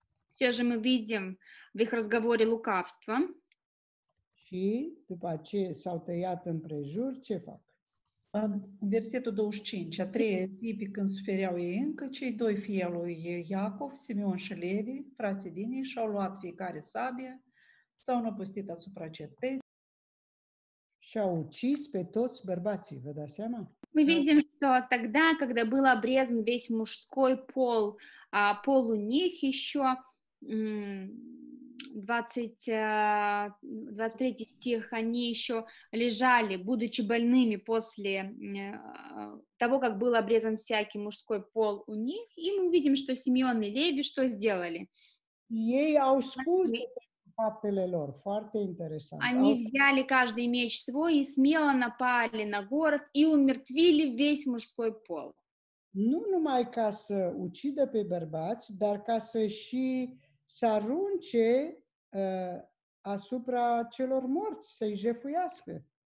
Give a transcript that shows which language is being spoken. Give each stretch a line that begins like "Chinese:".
Russian: Все же мы видим в их разговоре лукавство.
Romanian: Și după ce s-au tăiat împrejur, ce fac? Versetul 25, a treia zi pe când sufereau ei încă, cei doi fii al lui Iacov, Simeon și Levi, frații din ei, și-au luat fiecare sabie, s-au năpustit asupra cetății. Și-au ucis pe toți bărbații, vă dați seama?
Russian: Мы видим, что тогда, когда был обрезан весь мужской пол, пол у них еще, 23 стих, они еще лежали, будучи больными после того, как был обрезан всякий мужской пол у них, и мы видим, что Симеон и Леви что сделали? Ей аускузы.
Romanian: Faptele lor, foarte interesant.
Russian: Они взяли каждый меч свой и смело напали на город и умертвили весь мужской пол.
Romanian: Nu numai ca să ucidă pe bărbați, dar ca să și să arunce asupra celor morți, să-i jefuiască.